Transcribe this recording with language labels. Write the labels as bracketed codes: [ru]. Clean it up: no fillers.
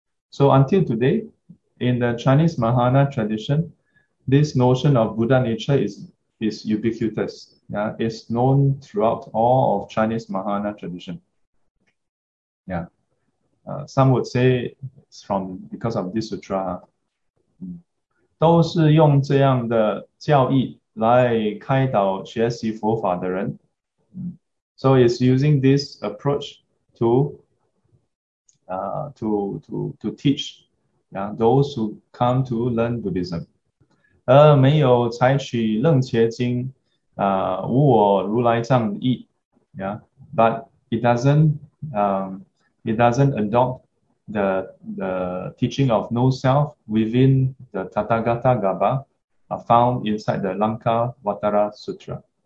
[en] So until today, in the Chinese Mahayana tradition, this notion of Buddha nature is ubiquitous. Yeah, is known throughout all of Chinese Mahayana tradition. Yeah. Some would say it's from because of this sutra. [zh] 都是用这样的教义来开导学习佛法的人。 [en] So it's using this approach to teach those who come to learn Buddhism. [zh] 而没有采取楞伽经无我如来藏义 [en] But it doesn't adopt the teaching of no self within the Tathagatagarbha found inside the Lankavatara Sutra.